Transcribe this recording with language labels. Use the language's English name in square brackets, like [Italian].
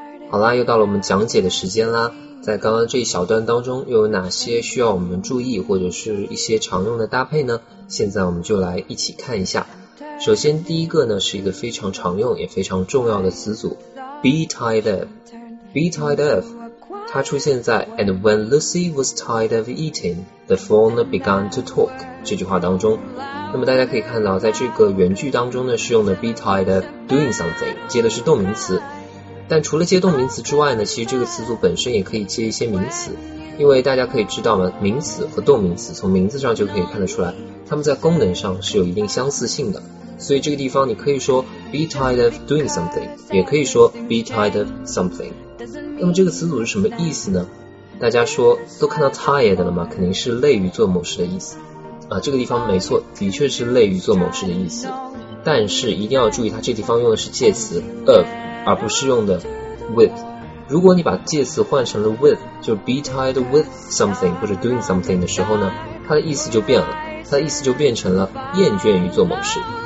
[Chinese] 好啦，又到了我们讲解的时间啦。在刚刚这一小段当中，又有哪些需要我们注意或者是一些常用的搭配呢？现在我们就来一起看一下。首先第一个呢，是一个非常常用也非常重要的词组 [English] Be tied up. Be tied up. [Chinese] 它出现在 [English] And when Lucy was tired of eating, the fawn began to talk [Chinese] 这句话当中。那么大家可以看到，在这个原句当中呢，是用的 [English] be tied up doing something, [Chinese] 接的是动名词。但除了接动名词之外呢，其实这个词组本身也可以接一些名词。因为大家可以知道嘛，名词和动名词从名字上就可以看得出来，它们在功能上是有一定相似性的。所以这个地方你可以说 [English] be tired of doing something, [Chinese] 也可以说 [English] be tired of something。 [Chinese] 那么这个词组是什么意思呢？大家说都看到 tired 了吗？肯定是累于做某事的意思啊。这个地方没错，的确是累于做某事的意思，但是一定要注意它这地方用的是介词 of, 而不是用的 with。如果你把介词换成了 with, 就 [English] be tired with something [Chinese] 或者 [English] doing something [Chinese] 的时候呢，它的意思就变了，它的意思就变成了厌倦于做某事。